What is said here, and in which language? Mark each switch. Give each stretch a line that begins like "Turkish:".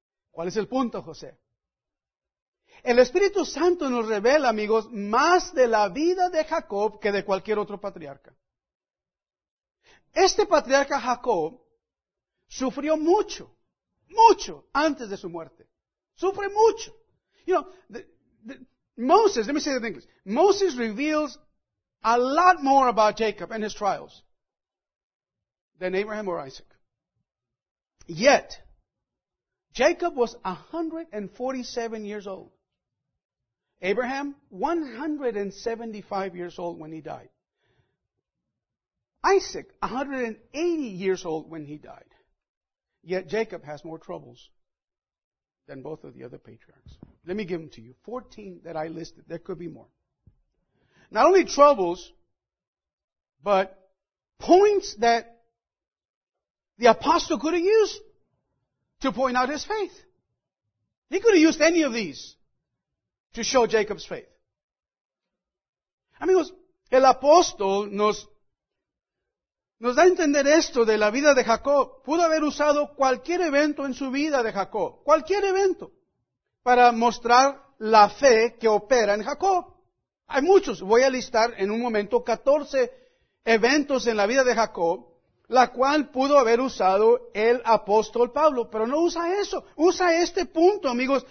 Spanish: ¿Cuál es el punto, José? El Espíritu Santo nos revela, amigos, más de la vida de Jacob que de cualquier otro patriarca. Este patriarca Jacob sufrió mucho, mucho antes de su muerte. Sufre mucho.
English: You know, Moses, let me say that in English. Moses reveals a lot more about Jacob and his trials than Abraham or Isaac. Yet, Jacob was 147 years old. Abraham, 175 years old when he died. Isaac, 180 years old when he died. Yet Jacob has more troubles than both of the other patriarchs. Let me give them to you. 14 that I listed. There could be more. Not only troubles, but points that the apostle could have used to point out his faith. He could have used any of these to show Jacob's faith.
Spanish: Amigos, el apóstol nos da a entender esto de la vida de Jacob. Pudo haber usado cualquier evento en su vida de Jacob, cualquier evento, para mostrar la fe que opera en Jacob. Hay muchos, voy a listar en un momento 14 eventos en la vida de Jacob, la cual pudo haber usado el apóstol Pablo, pero no usa eso, usa este punto, amigos.